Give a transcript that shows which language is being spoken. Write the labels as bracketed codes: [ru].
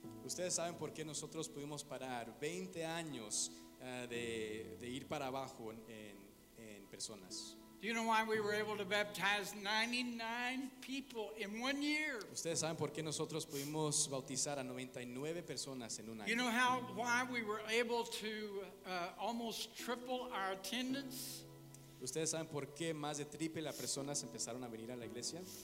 [es] Ustedes saben por qué nosotros pudimos parar 20 años de ir para abajo en personas. [en] Do you know why we were able to baptize 99 people in 1 year? [es] Ustedes saben por qué nosotros pudimos bautizar a 99 personas en un año. [en] You know how why we were able to almost triple our attendance? [es] Ustedes saben por qué más de triple las personas empezaron a venir a la iglesia?